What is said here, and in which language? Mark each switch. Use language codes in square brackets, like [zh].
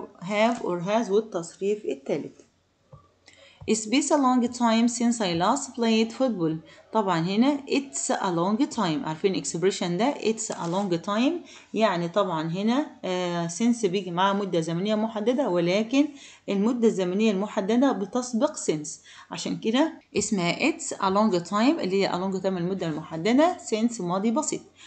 [en] Have or has [ar] والتصريف الثالث. [en] It's a long time since I last played football. [ar] طبعا هنا [en] it's a long time، [ar] عارفين expression ده it's a long time، يعني طبعا هنا since بيجي معاه مدة زمنية محددة، ولكن المدة الزمنية المحددة بتسبق since، عشان كده اسمها it's a long time اللي هي a long time المدة المحددة، since ماضي بسيط.